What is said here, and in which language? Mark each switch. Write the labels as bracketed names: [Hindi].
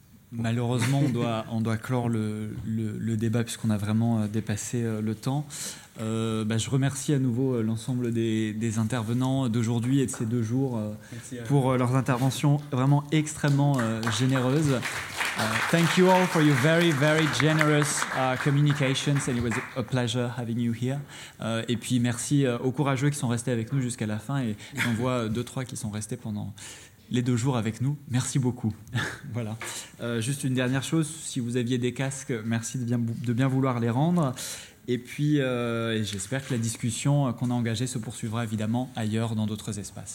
[French] Malheureusement, on doit clore le débat puisqu'on a vraiment dépassé le temps. Je remercie à nouveau l'ensemble des intervenants d'aujourd'hui et de ces deux jours pour leurs interventions vraiment extrêmement généreuses. [English] Thank you all for your very, very generous communications, and it was a pleasure having you here. [French] Et puis merci aux courageux qui sont restés avec nous jusqu'à la fin, et on voit deux, trois qui sont restés pendant les deux jours avec nous. Merci beaucoup. Voilà. Juste une dernière chose, si vous aviez des casques, merci de bien vouloir les rendre. Et puis, j'espère que la discussion qu'on a engagée se poursuivra évidemment ailleurs, dans d'autres espaces.